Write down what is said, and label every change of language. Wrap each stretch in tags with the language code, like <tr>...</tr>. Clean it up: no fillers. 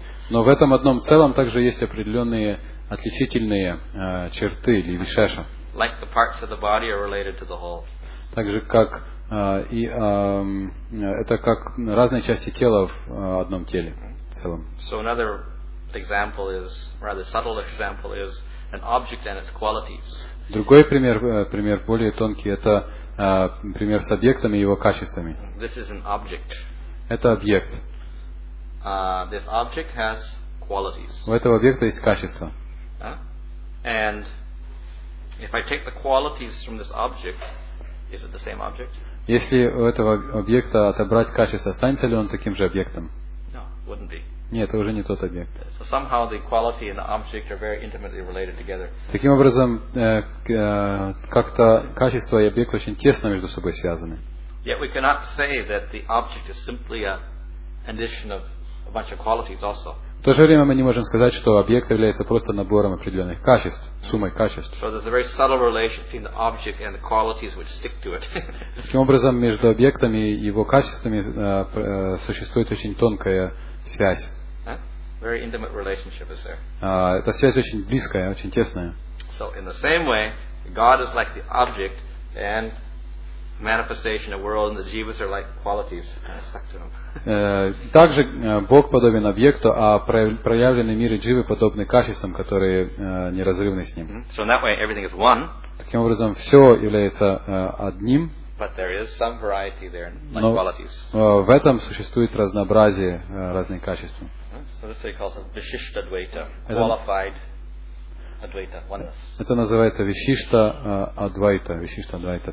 <ru>Но в этом одном целом также есть определенные отличительные черты или вишеша.</ru> <en>Like the parts of the body are related to the whole.</en> <ru>Также как это как разные части тела в одном теле целом.</ru> <en>So another example is, rather subtle example is an object and its qualities.</en> <ru>Другой пример, пример более тонкий, это пример с объектом и его качествами.</ru> <en>This is an object.</en> <ru>Это объект.</ru> <en>This object has qualities.</en> <ru>У этого объекта есть качества.</ru> <en>And if I take the qualities from this object, is it the same object?</en> <ru>Если у этого объекта отобрать качество, останется ли он таким же объектом?</ru> <en>No, wouldn't be.</en> <ru>Нет, это уже не тот объект.</ru> <en>So somehow the quality and the object are very intimately related together.</en> <ru>Таким образом, как-то качество и объект очень тесно между собой связаны.</ru> <en>Yet we cannot say that the object is simply a condition of a bunch of qualities also.</en> <ru>В то же время мы не можем сказать, что объект является просто набором определенных качеств, суммой качеств.</ru> <en>So there's a very subtle relationship between the object and the qualities which stick to it.</en> <ru>Таким образом, между объектом и его качествами существует очень тонкая связь.</ru> <en>Very intimate relationship is there.</en> <ru>Эта связь очень близкая, очень тесная.</ru> <en>So in the same way, God is like the object and manifestation of world and the jivas are like qualities stuck to them.</en> <ru>Также Бог подобен объекту, а проявленный мир и дживы подобны качествам, которые неразрывны с ним.</ru> <en>So in that way, everything is one.</en> <ru>Таким образом, все является одним.</ru> <en>But there is some variety there in like qualities.</en> <ru>В этом существует разнообразие разных качеств.</ru> <en>So this they call it vishishta dvaita, qualified advaita, oneness.</en> <ru>Это называется вишишта адвайта, вишишта адвайта.</ru>